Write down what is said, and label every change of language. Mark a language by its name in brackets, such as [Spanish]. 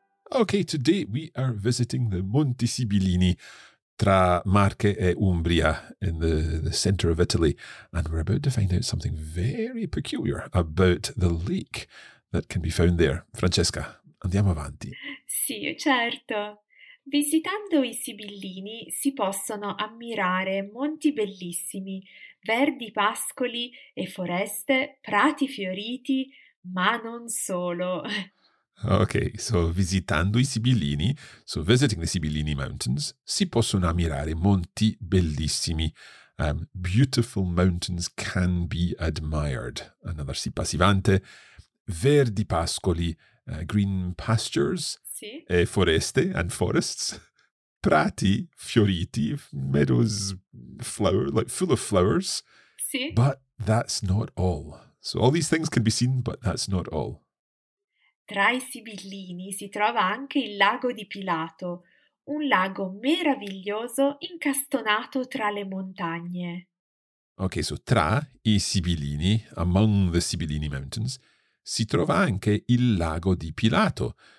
[English] Okay, today we are visiting the Monti Sibillini [Italian] tra Marche e Umbria [English] in the center of Italy. And we're about to find out something very peculiar about the lake that can be found there. [Italian] Francesca, andiamo avanti. Sì, certo. Visitando i Sibillini si possono ammirare monti bellissimi, verdi pascoli e foreste, prati fioriti, ma non solo. [English] Okay, so [Italian] visitando i Sibillini, [English] so visiting the Sibillini Mountains, [Italian] si possono ammirare monti bellissimi. [English] Beautiful mountains can be admired. Another si passivante. [Italian] Verdi pascoli, [English] green pastures. [Italian] Sì. E foreste [English] and forests. [Italian] Prati fioriti, [English] meadows flower, like full of flowers. [Italian] Sì. [English] But that's not all. So all these things can be seen, but that's not all. [Italian] Tra i Sibillini si trova anche il lago di Pilato, un lago meraviglioso incastonato tra le montagne. Ok, so tra i Sibillini, among the Sibillini Mountains, si trova anche il lago di Pilato.